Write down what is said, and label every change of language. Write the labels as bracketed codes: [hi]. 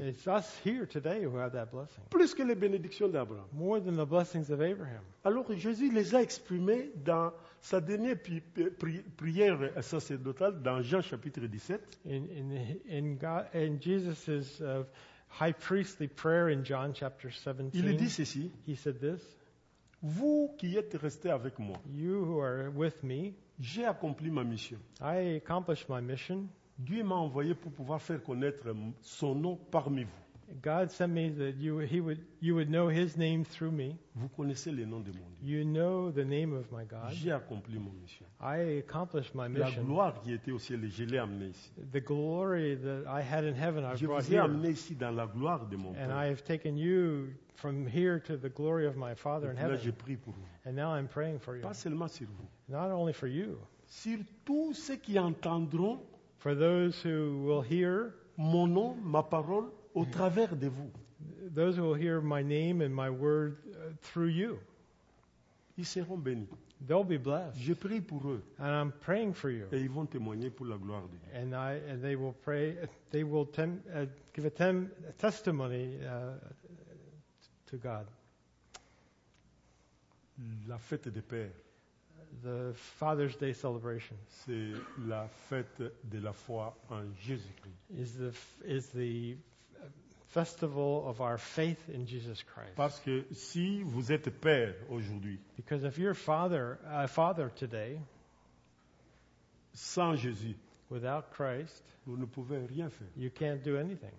[en] It's us here today who have that blessing. [fr] Plus que les bénédictions d'Abraham. [en] More than the blessings of Abraham. [fr] Alors Jésus les a exprimées dans sa dernière prière sacerdotale dans Jean chapitre 17. [en] In Jesus's high priestly prayer in John chapter 17. [fr] Il dit ceci. [en] He said this. [fr] Vous qui êtes restés avec moi. [en] You who are with me. [fr] J'ai accompli ma mission. [en] I accomplished my mission. [fr] Dieu m'a envoyé pour pouvoir faire connaître son nom parmi vous. [en] God sent me that you would know his name through me. [fr] Vous connaissez le nom de mon Dieu. [en] You know the name of my God. [fr] J'ai accompli mon mission. [en] I accomplished my mission. [fr] La gloire qui était au ciel, je l'ai amené ici. [en] The glory that I had in heaven, I brought here. [fr] Je vous ai amené ici dans la gloire de mon Père. [en] And I have taken you from here to the glory of my Father in heaven. [fr] Là, je prie pour vous. [en] And now I'm praying for you. [fr] Pas seulement sur vous. [en] Not only for you. [fr] Sur tous ceux qui entendront. [en] For those who will hear [fr] mon nom, ma parole, au travers de vous. [en] Those who will hear my name and my word through you. [fr] Ils seront bénis. [en] They'll be blessed. [fr] Je prie pour eux. [en] And I'm praying for you. [fr] Et ils vont témoigner pour la gloire de Dieu. [en] And they will pray. They will give a testimony to God. [fr] La fête des pères. [en] The Father's Day celebration. [fr] C'est la fête de la foi en Jésus-Christ. [en] Is the festival of our faith in Jesus Christ. [fr] Parce que si vous êtes père aujourd'hui. [en] Because if you're a father today. [fr] Sans Jésus. [en] Without Christ. [fr] Vous ne pouvez rien faire. [en] You can't do anything.